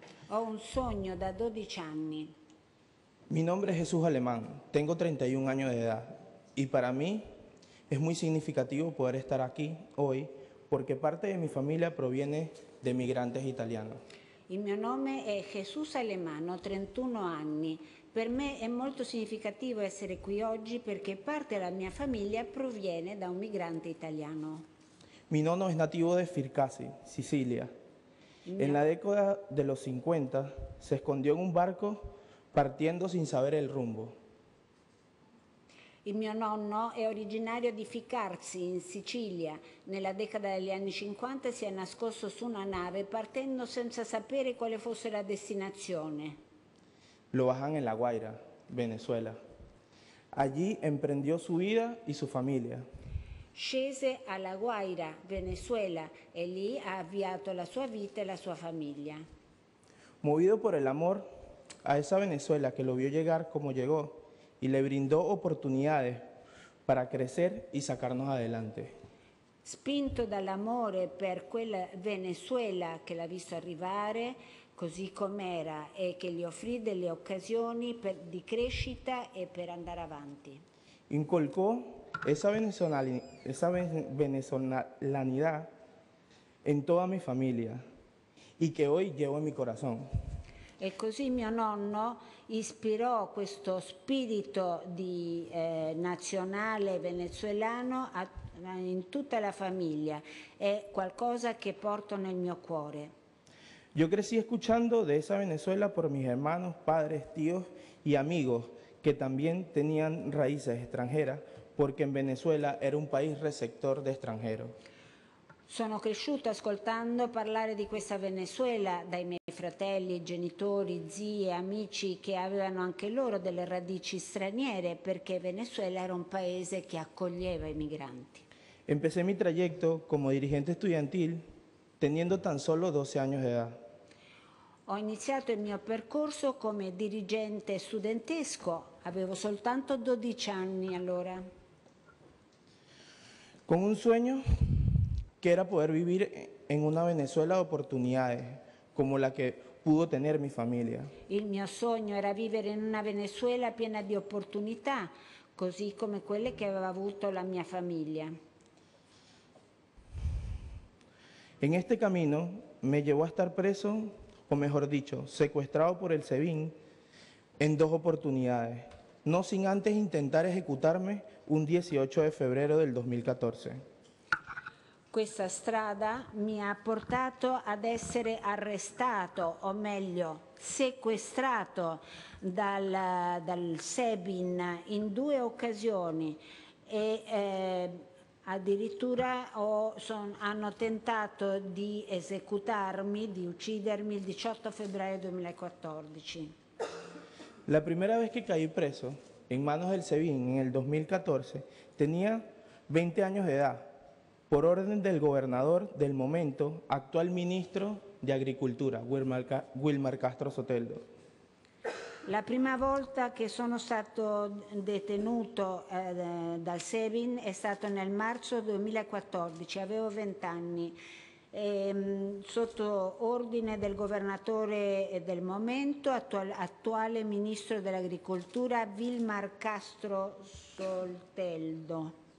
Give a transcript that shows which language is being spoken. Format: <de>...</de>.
<it>Ho un sogno da 12 anni.</it> <es>Mi nombre es Jesús Alemán, tengo 31 años de edad. Y para mí es muy significativo poder estar aquí hoy porque parte de mi familia proviene de migrantes italianos.</es> <it>Il mio nome è Jesús Alemán, ho 31 anni. Per me è molto significativo essere qui oggi perché parte della mia famiglia proviene da un migrante italiano.</it> <es>Mi nonno es nativo de Circassi, Sicilia. En la década de los 50 se escondió en un barco partiendo sin saber el rumbo.</es> <it>Il mio nonno è originario di Ficarsi, in Sicilia. Nella decada degli anni 50 si è nascosto su una nave partendo senza sapere quale fosse la destinazione.</it> <es>Lo bajan en La Guaira, Venezuela. Allí emprendió su vida y su familia.</es> <it>Scese a La Guaira, Venezuela, e lì ha avviato la sua vita e la sua famiglia.</it> <es>Movido por el amor a esa Venezuela que lo vio llegar como llegó y le brindó oportunidades para crecer y sacarnos adelante.</es> <it>Spinto dall'amore per quella Venezuela che l'ha visto arrivare così com'era e che gli offrì delle occasioni di crescita e per andare avanti.</it> <es>Incolcò esa venezolanidad en toda mi familia y que hoy llevo en mi corazón.</es> <it>E così mio nonno ispirò questo spirito di nazionale venezuelano in tutta la famiglia. È qualcosa che porto nel mio cuore.</it> <es>Yo crecí escuchando de esa Venezuela por mis hermanos, padres, tíos y amigos que también tenían raíces extranjeras.</es> <it>Perché in Venezuela era un paese receptor di stranieri. Sono cresciuta ascoltando parlare di questa Venezuela dai miei fratelli, genitori, zii, amici che avevano anche loro delle radici straniere perché Venezuela era un paese che accoglieva i migranti.</it> <es>Empecé mi trayecto come dirigente estudiantil teniendo tan solo 12 años de edad.</es> <it>Ho iniziato il mio percorso come dirigente studentesco, avevo soltanto 12 anni allora.</it> <es>Con un sueño que era poder vivir en una Venezuela de oportunidades como la que pudo tener mi familia.</es> <it>Il mio sogno era vivere in una Venezuela piena di opportunità, così come quelle che aveva avuto la mia famiglia.</it> <es>En este camino me llevó a estar preso, o mejor dicho, secuestrado por el SEBIN en 2 oportunidades, no sin antes intentar ejecutarme un 18 de febrero del 2014.</es> <it>Questa strada mi ha portato ad essere arrestato, o meglio, sequestrato dal SEBIN in 2 occasioni e addirittura hanno tentato di esecutarmi, di uccidermi il 18 febbraio 2014.</it> <es>La prima vez que caí preso en manos del SEBIN en el 2014, tenía 20 años de edad, por orden del gobernador del momento, actual ministro de Agricultura, Wilmar Castro Soteldo.</es> <it>La prima volta che sono stato detenuto dal SEBIN è stato nel marzo 2014, avevo 20 anni. sotto ordine del governatore del momento, attuale ministro dell'agricoltura, Wilmar Castro Soteldo.</it>